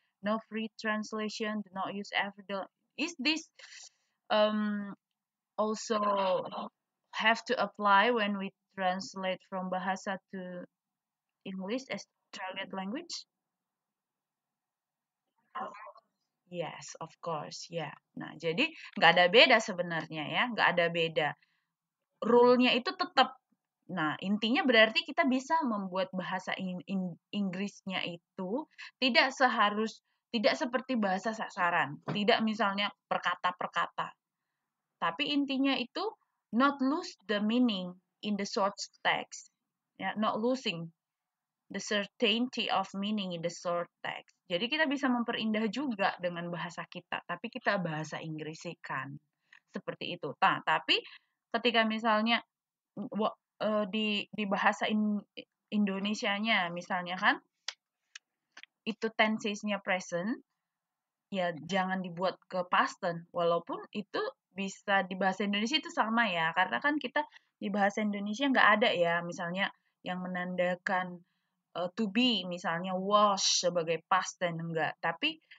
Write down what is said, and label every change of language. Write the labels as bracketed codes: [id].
[en] No free translation, do not use everyday. Is this also have to apply when we translate from Bahasa to English as target language? Yes, of course, yeah. [id] Nah, jadi nggak ada beda sebenarnya ya, nggak ada beda. Rule-nya itu tetap. Nah, intinya berarti kita bisa membuat bahasa Inggrisnya itu tidak seharus tidak seperti bahasa sasaran, tidak misalnya perkata-perkata. Tapi intinya itu [en] not lose the meaning in the source text. Ya, not losing the certainty of meaning in the source text. [id] Jadi kita bisa memperindah juga dengan bahasa kita, tapi kita bahasa Inggrisikan. Seperti itu. Nah, tapi ketika misalnya di bahasa Indonesianya misalnya kan itu tensesnya present, ya jangan dibuat ke past tense, walaupun itu bisa di bahasa Indonesia itu sama ya, karena kan kita di bahasa Indonesia nggak ada ya misalnya yang menandakan to be misalnya was sebagai past tense, enggak. Tapi